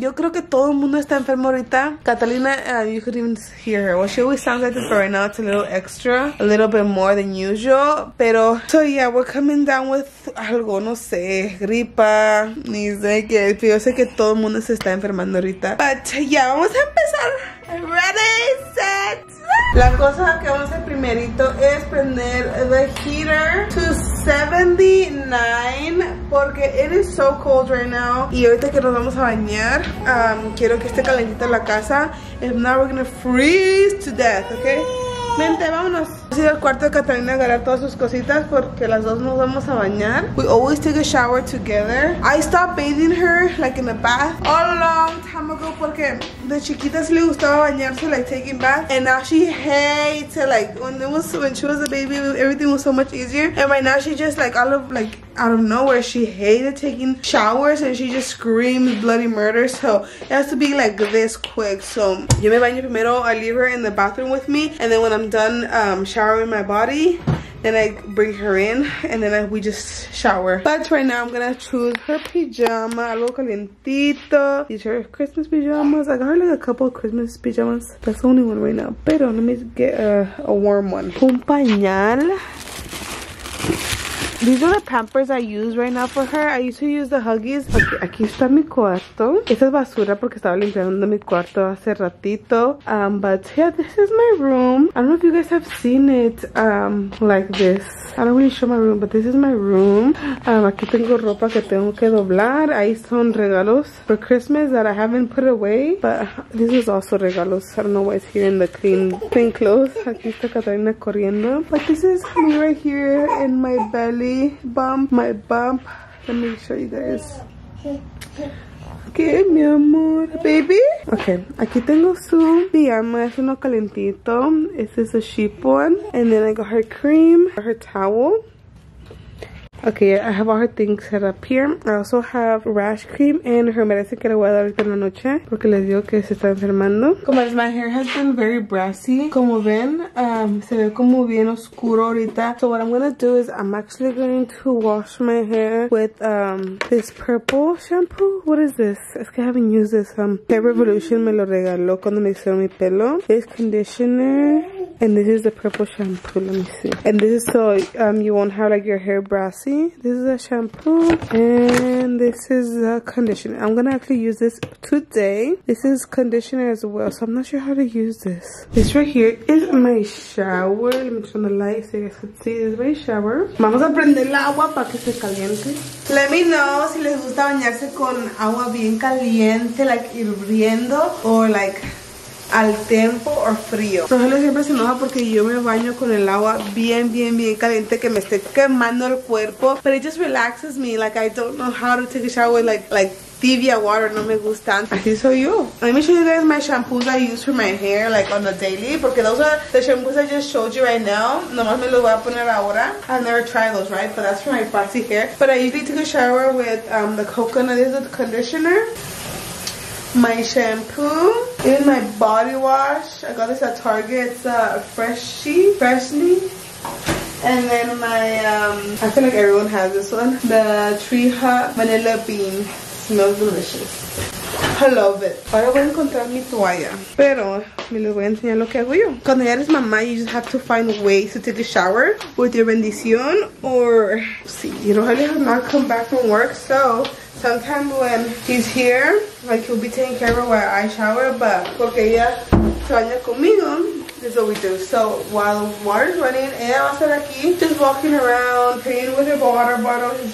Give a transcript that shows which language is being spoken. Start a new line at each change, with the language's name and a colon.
Spanish: Yo creo que todo el mundo está enfermo ahorita.
English: Catalina, you could even hear her. Well, she always sounds like this, but right now it's a little extra, a little bit more than usual.
Spanish: Pero,
English: so yeah, we're coming down with
Spanish: algo, no sé, gripa, ni sé qué. Yo sé que todo el mundo se está enfermando ahorita.
English: But yeah,
Spanish: vamos a empezar.
English: Ready, set.
Spanish: La cosa que vamos a hacer primerito es prender
English: the heater to 79
Spanish: porque
English: it is so cold right now.
Spanish: Y ahorita que nos vamos a bañar, quiero que esté calentita la casa.
English: If not, we're gonna freeze to death, okay?
Spanish: Vente, vámonos. Vamos a ir al cuarto de Catalina a agarrar todas sus cositas porque las dos nos vamos a bañar.
English: We always take a shower together. I stopped bathing her, like, in the bath a long time ago
Spanish: porque de chiquita sí le gustaba bañarse,
English: like, taking bath. And now she hates it, like, when she was a baby, everything was so much easier. And right now she just, like, out of nowhere, she hated taking showers and she just screams bloody murder. So it has to be like this quick. So
Spanish: yo me baño primero,
English: I leave her in the bathroom with me, and then when I'm done showering my body, then I bring her in, and then we just shower. But right now I'm gonna choose her pajama,
Spanish: algo calientito.
English: These are her Christmas pajamas. I got her like a couple of Christmas pajamas. That's the only one right now.
Spanish: Pero
English: let me get a warm one.
Spanish: Un pañal.
English: These are the Pampers I use right now for her. I used to use the Huggies. Okay,
Spanish: aquí está mi cuarto. Esta es basura porque estaba limpiando mi cuarto hace ratito.
English: But yeah, this is my room. I don't know if you guys have seen it like this. I don't really show my room, but this is my room.
Spanish: Aquí tengo ropa que tengo que doblar. Ahí son regalos
English: for Christmas that I haven't put away. But this is also regalos. I don't know why it's here in the clean clothes.
Spanish: Aquí está Catalina corriendo.
English: But this is me right here in my belly bump, my bump. Let me show you guys. Okay,
Spanish: mi amor,
English: baby.
Spanish: Okay, aquí tengo su pijama, es uno calentito.
English: This is a sheep one. And then I got her cream, her towel. Okay, I have all her things set up here. I also have rash cream and her medicine
Spanish: que le voy a dar en la noche porque les digo que se está enfermando. Como es,
English: my hair has been very brassy.
Spanish: Como ven, se ve como bien oscuro ahorita.
English: So what I'm gonna do is I'm actually going to wash my hair with this purple shampoo. What is this?
Spanish: Es que
English: I haven't used this.
Spanish: Hair Revolution me lo regaló cuando me hicieron mi pelo.
English: This conditioner. And this is the purple shampoo. Let me see. And this is so you won't have like your hair brassy. This is a shampoo. And this is a conditioner. I'm gonna actually use this today. This is conditioner as well. So I'm not sure how to use this. This right here is my shower. Let me turn the light so you guys can see. This is my shower.
Spanish: Vamos a prender el agua para que se caliente.
English: Let me know
Spanish: si les gusta bañarse con agua bien caliente, like hirviendo, or like al tempo o frío. Rogelio siempre se enoja porque yo me baño con el agua bien caliente que me esté quemando el cuerpo.
English: But it just relaxes me, like I don't know how to take a shower with like tibia water,
Spanish: no me gusta. Así soy yo.
English: Let me show you guys my shampoos I use for my hair, like on the daily, porque those are the shampoos I just showed you right now.
Spanish: Nomás me los voy a poner ahora.
English: I've never tried those, right? But that's for my frizzy hair. But I usually take a shower with the coconut, this is the conditioner. My shampoo, even my body wash. I got this at Target. It's freshly. And then my I feel like everyone has this one, the tree hut vanilla bean. Smells delicious. I love it.
Spanish: Ahora voy a encontrar mi toalla. Pero me les voy a enseñar lo que hago yo. Cuando ya eres mamá,
English: you just have to find ways to take a shower with your bendición. Or, sí, you know, Harley has not come back from work. So, sometimes when he's here, like, he'll be taking care of while I shower. But,
Spanish: porque ella se baña conmigo,
English: this is what we do. So, while water's running,
Spanish: ella va a estar aquí,
English: just walking around, playing with her water bottle.